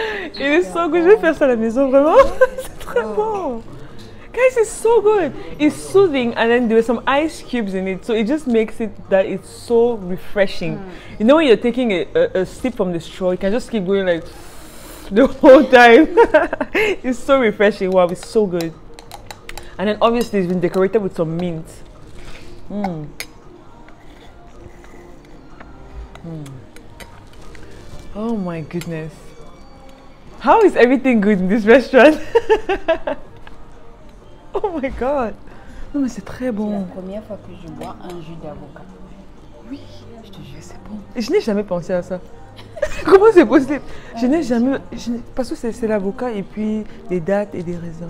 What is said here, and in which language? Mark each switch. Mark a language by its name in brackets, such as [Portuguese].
[English] It is so good. [French] Je vais faire ça à la maison, vraiment. C'est très bon. [English] Guys, it's so good. It's soothing, and then there's some ice cubes in it, so it just makes it that it's so refreshing. You know when you're taking a sip from the straw, you can just keep going like the whole time. It's so refreshing. Wow, it's so good. And then obviously it's been decorated with some mint. Oh my goodness, how is everything good in this restaurant? Oh my god! [French] Non mais c'est très bon! C'est la première fois que je bois un jus d'avocat. Oui! Je te jure, c'est bon! Je n'ai jamais pensé à ça! Comment c'est possible? Je n'ai jamais. Parce que c'est l'avocat et puis les dattes et les raisins.